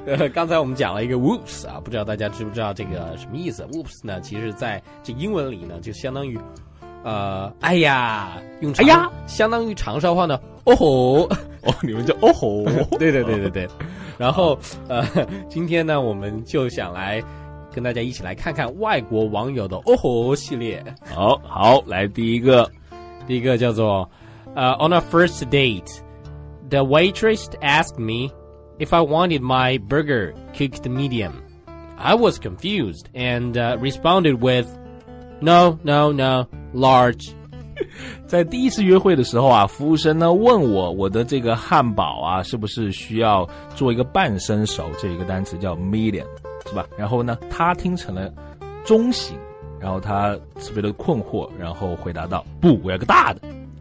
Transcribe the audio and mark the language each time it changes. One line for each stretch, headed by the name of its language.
Chinese: 刚才我们讲了一个 whoops 啊，不知道大家知不知道这个什么意思 ？whoops 呢，其实在这英文里呢，就相当于哎呀，用哎呀，相当于长沙话呢，哦吼，哦，你们叫哦吼，对对对对对。然后今天呢，我们就想来。跟大家一起来看看外国网友的哦吼系列。好好，来第一个，第一个叫做
English: On a first date, the waitress asked me if I wanted my burger cooked medium. I was confused and responded with No, large.
Chinese: 在第一次约会的时候啊，服务生呢问我的这个汉堡啊是不是需要做一个半生熟，这一个单词叫 medium，是吧？然后呢，他听成了中型，然后他特别的困惑，然后回答道：“不，我要个大的。”